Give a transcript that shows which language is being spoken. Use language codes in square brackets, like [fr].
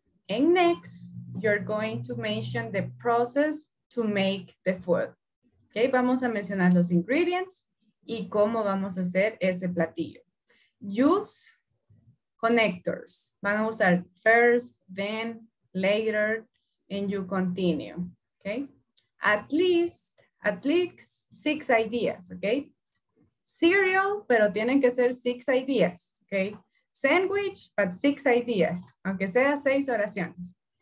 [en] And next, you're going to mention the process to make the food. [es] Okay, vamos a mencionar los ingredients. Y cómo vamos a hacer ese platillo. [en] use connectors. [es] Van a usar [en] first, then, later, and you continue. Okay. At least six ideas. Okay. [es] Cereal, pero tienen que ser [en] six ideas. [es] Okay. [en] Sandwich, but six ideas. [es] Aunque sea seis oraciones.